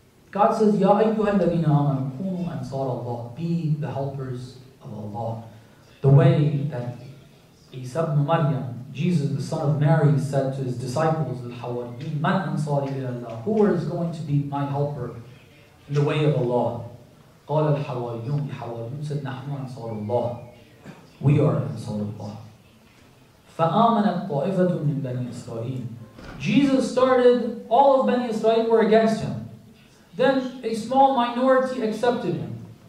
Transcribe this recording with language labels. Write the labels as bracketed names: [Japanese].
[English] God says, [Arabic] Ya ayyuha alladhina amanu kunu ansar Allah. [English] Be the helpers of Allah. The way that Isa ibn Maryam, Jesus, the son of Mary, said to his disciples, Al-Hawariyin, [Arabic] Man Ansari Allah, [English] who is going to be my helper in the way of Allah? [Arabic] قال الحواريون, الحواريون said, نحن أنصار الله. [English] We are أنصار الله. [Arabic] فآمنت طائفة من بني إسرائيل. [English] Jesus started, all of Bani Israel were against him. Then a small minority accepted him.